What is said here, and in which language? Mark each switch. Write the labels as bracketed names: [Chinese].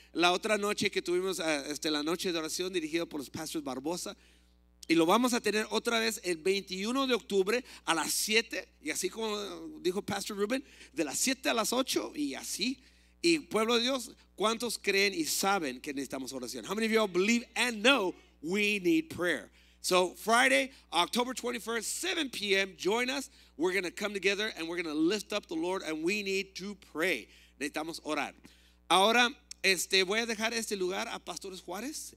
[Spanish] La otra noche que tuvimos la noche de oración dirigida por los pastores Barbosa. Y lo vamos a tener otra vez el 21 de octubre a las 7. Y así como dijo Pastor Ruben, de las 7 a las 8 y así. Y pueblo de Dios, ¿cuántos creen y saben que necesitamos oración? [English] How many of you all believe and know we need prayer? So Friday, October 21st, 7 p.m., join us. We're going to come together and we're going to lift up the Lord and we need to pray. [Spanish] Necesitamos orar. Ahora, voy a dejar este lugar a Pastores Juárez.